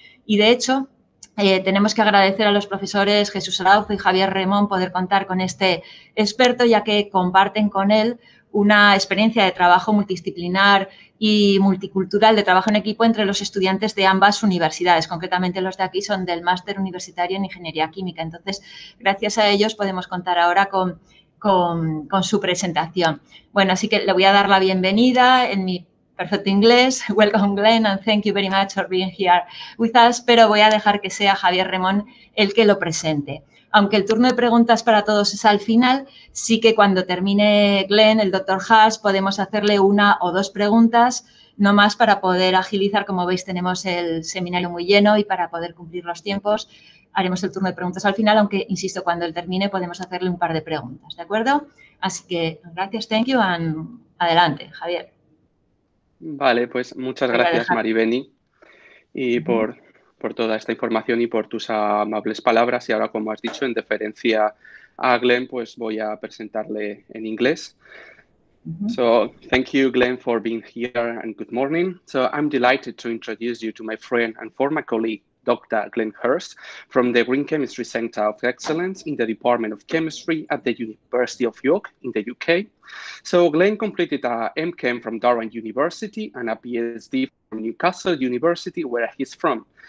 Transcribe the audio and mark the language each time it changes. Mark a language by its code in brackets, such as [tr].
[es] Y de hecho, tenemos que agradecer a los profesores Jesús Araujo y Javier Remón poder contar con este experto, ya que comparten con él una experiencia de trabajo multidisciplinar y multicultural de trabajo en equipo entre los estudiantes de ambas universidades. Concretamente los de aquí son del Máster Universitario en Ingeniería Química. Entonces, gracias a ellos podemos contar ahora con su presentación. Bueno, así que le voy a dar la bienvenida en mi perfecto inglés. [en] Welcome, Glenn, and thank you very much for being here with us. [es] Pero voy a dejar que sea Javier Remón el que lo presente. Aunque el turno de preguntas para todos es al final, sí que cuando termine Glenn, el doctor Haas, podemos hacerle 1 o 2 preguntas, no más, para poder agilizar. Como veis, tenemos el seminario muy lleno y para poder cumplir los tiempos, haremos el turno de preguntas al final, aunque, insisto, cuando él termine podemos hacerle un par de preguntas, ¿de acuerdo? Así que gracias, [en] thank you, and [es] adelante, Javier. Vale, pues muchas Voy a gracias, dejar. Mari Beni, y por toda esta información y por tus amables palabras. Y ahora, como has dicho, en deferencia a Glenn, pues voy a presentarle en inglés. [en] So, thank you, Glenn, for being here and good morning. So, I'm delighted to introduce you to my friend and former colleague, Dr. Glenn Hirst, from the Green Chemistry Center of Excellence in the Department of Chemistry at the University of York in the UK. So Glenn completed a MChem from Durham University and a PhD from Newcastle University, where he's from.